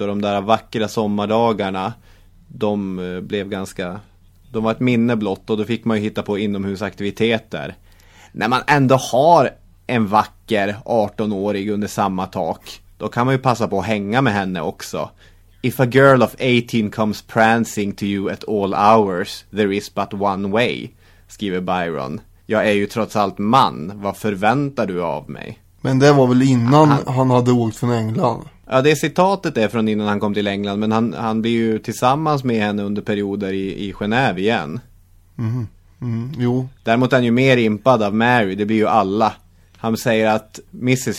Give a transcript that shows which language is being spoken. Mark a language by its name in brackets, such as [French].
[Swedish] Och de där vackra sommardagarna, de blev ganska, de var ett minne blott. Och då fick man ju hitta på inomhusaktiviteter. När man ändå har en vacker 18-årig under samma tak, då kan man ju passa på att hänga med henne också. [English] If a girl of 18 comes prancing to you at all hours, there is but one way, [Swedish] skriver Byron. Jag är ju trots allt man, vad förväntar du av mig? Men det var väl innan han hade åkt från England? Ja, det citatet är från innan han kom till England, men han blir ju tillsammans med henne under perioder i Genève igen. Jo. Däremot är han ju mer impad av Mary, det blir ju alla. Han säger att Mrs.